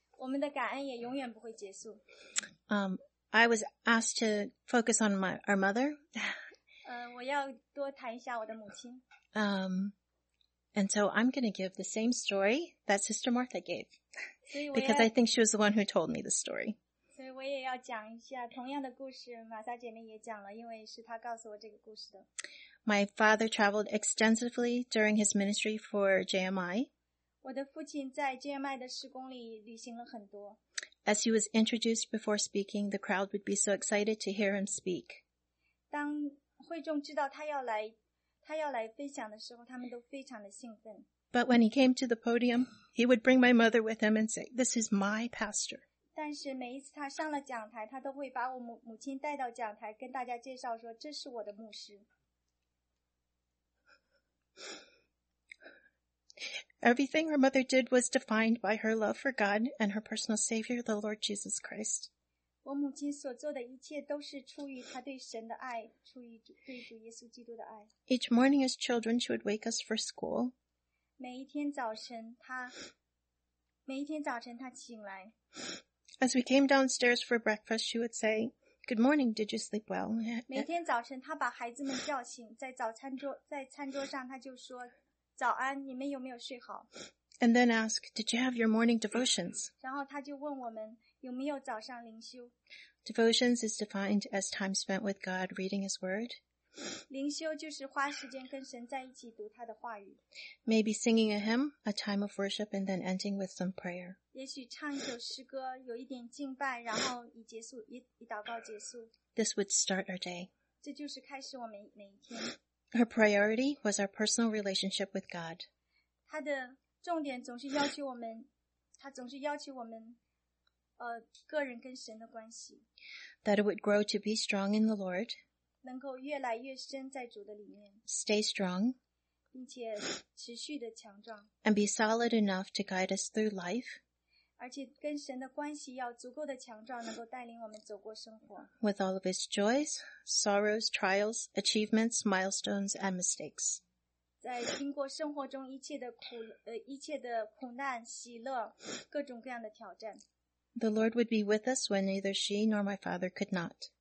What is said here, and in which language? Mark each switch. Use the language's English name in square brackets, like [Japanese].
[Chinese] 我们的感恩也永远不会结束。 [English] I was asked to focus on our mother. [Chinese] 我要多谈一下我的母亲。 [English] And so I'm going to give the same story that Sister Martha gave. Because I think she was the one who told me the story. [Chinese] 所以我也要讲一下同样的故事，玛莎姐妹也讲了，因为是她告诉我这个故事的。 [English] My father traveled extensively during his ministry for JMI. [Chinese] 我的父亲在 JMI 的施工里旅行了很多。 [English] As he was introduced before speaking, the crowd would be so excited to hear him speak. [Chinese] 当会众知道他要来分享的时候，他们都非常的兴奋。 [English] But when he came to the podium, he would bring my mother with him and say, "This is my pastor." [Chinese] 但是每一次他上了讲台，他都会把我母亲带到讲台，跟大家介绍说，这是我的牧师。 [English] Everything her mother did was defined by her love for God and her personal Savior, the Lord Jesus Christ. [Chinese] 我母亲所做的一切都是出于她对神的爱，出于对主耶稣基督的爱。 [English] Each morning as children, she would wake us for school. [Chinese] 每一天早晨她醒来。 [English] As we came downstairs for breakfast, she would say, "Good morning, did you sleep well?" [Chinese] 每天早晨她把孩子们叫醒，在餐桌上她就说，早安，你们有没有睡好？ [English] And then ask, "Did you have your morning devotions?" [Chinese] 然后她就问我们，有没有早上灵修？ [English] Devotions is defined as time spent with God reading His Word. [Chinese] 灵修就是花时间跟神在一起读他的话语。 [English] Maybe singing a hymn, a time of worship, and then ending with some prayer. [Chinese] 也许唱一首诗歌，有一点敬拜，然后以结束，以祷告结束。 [English] This would start our day. [Chinese] 这就是开始我们每一天。 [English] Her priority was our personal relationship with God. [Chinese] 她的重点总是要求我们，她总是要求我们。个人跟神的关系。 [English] That it would grow to be strong in the Lord. [Chinese] 能够越来越深在主的里面。 [English] Stay strong. [Chinese] 并且持续的强壮。 [English] And be solid enough to guide us through life. [Chinese] 而且跟神的关系要足够的强壮，能够带领我们走过生活。 [English] With all of its joys, sorrows, trials, achievements, milestones, and mistakes. [Chinese] 在经过生活中一切的一切的苦难、喜乐、各种各样的挑战。 [English] The Lord would be with us when neither she nor my father could not.